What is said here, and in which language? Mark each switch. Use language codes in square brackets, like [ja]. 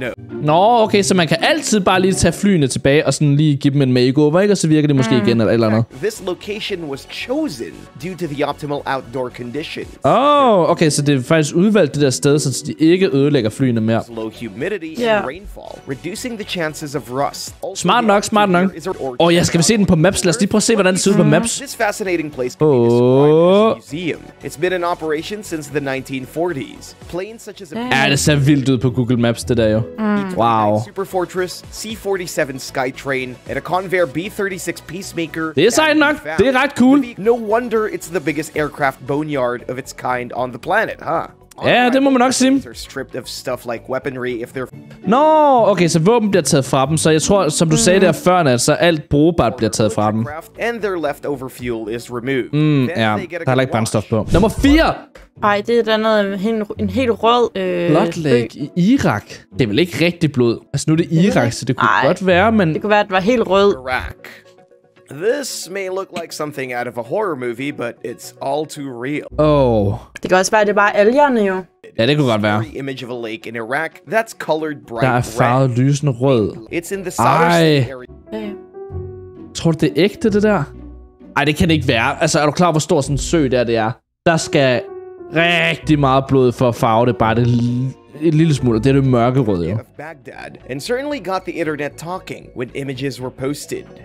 [da] Nå, okay, så man kan altid bare lige tage flyene tilbage, og sådan lige give dem en makeover, ikke? Og så virker det måske igen, eller et eller andet. [en] This location was chosen due to the outdoor conditions. [da] Oh, okay, så det er faktisk udvalgt det der sted, så de ikke ødelægger flyene mere. [en] Low humidity and rainfall, reducing the chances of rust. [da] Smart nok, smart nok. Oh, ja, skal vi se den på maps? Lad os lige prøve at se, hvordan det ser ud på maps. [en] This fascinating place can be described as a museum. It's been in operation since the 1940s. Planes such as a... [da] Ja, det ser vildt ud på Google Maps, det der jo. Wow. Superfortress, C-47 Skytrain, and a Convair B-36 Peacemaker. Det er sejt nok. Det er ret cool. [en] No wonder it's the biggest aircraft boneyard of its kind on the planet, huh? [da] Ja, det må man nok sige. [en] They're stripped of stuff like weaponry if they're... [da] No, okay, så våben bliver taget fra dem, så jeg tror, som du sagde der før, så alt brugbart bliver taget fra dem. [en] And their leftover fuel is removed. [da] Mm, ja, der er ikke brændstof på. Nummer 4. Ej, det er et andet, en helt rød Bloodlake i Irak. Det er vel ikke rigtig blod. Altså nu er det Irak, så det kunne godt være, men det kunne være, at det var helt rød. [en] This may look like something out of a horror movie, but it's all too real. Oh. [da] Det kan også være, at det er bare algerne jo. Ja, det kunne godt være. [en] Image of a lake in Iraq that's colored bright. [da] Der er farvet lysende rød. [en] It's in the [da] Ej. Tror du, det er ægte, det der? Ej, det kan det ikke være. Altså, er du klar, hvor stor sådan sø der det er? Der skal rigtig meget blod for at farve det bare det en lille smule, og det er det mørke rød, jo. [en] Baghdad, and certainly got the internet talking when images were posted.